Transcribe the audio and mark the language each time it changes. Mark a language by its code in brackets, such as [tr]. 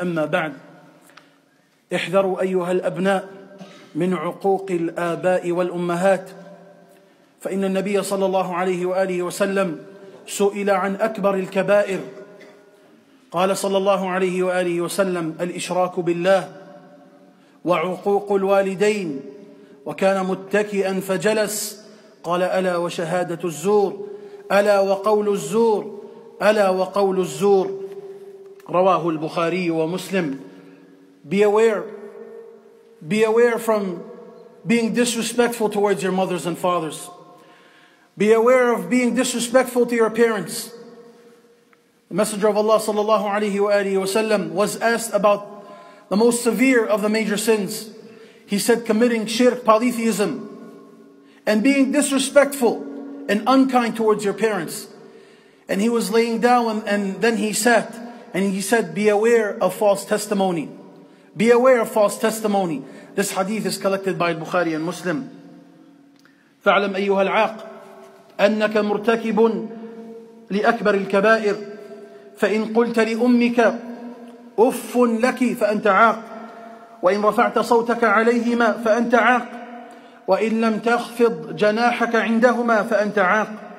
[ar] أما بعد، احذروا أيها الأبناء من عقوق الآباء والأمهات، فإن النبي صلى الله عليه وآله وسلم سئل عن أكبر الكبائر قال صلى الله عليه وآله وسلم: الإشراك بالله وعقوق الوالدين، وكان متكئا فجلس قال: ألا وشهادة الزور، ألا وقول الزور، ألا وقول الزور. رواه البخاري ومسلم. [en] Be aware from being disrespectful towards your mothers and fathers. Be aware of being disrespectful to your parents. The Messenger of Allah sallallahu alayhi wa alihi wa sallam was asked about the most severe of the major sins. He said committing shirk, polytheism, and being disrespectful and unkind towards your parents. And he was laying down and then he sat and he said, be aware of false testimony. Be aware of false testimony. This hadith is collected by Bukhari and Muslim. [ar] فَعْلَمْ أَيُّهَا الْعَاقِ أَنَّكَ مُرْتَكِبٌ لِأَكْبَرِ الْكَبَائِرِ فَإِنْ قُلْتَ لِأُمِّكَ أف لك فأنت عاق، وإن رفعت صوتك عليهما فأنت عاق، وإن لم تخفض جناحك عندهما فأنت عاق.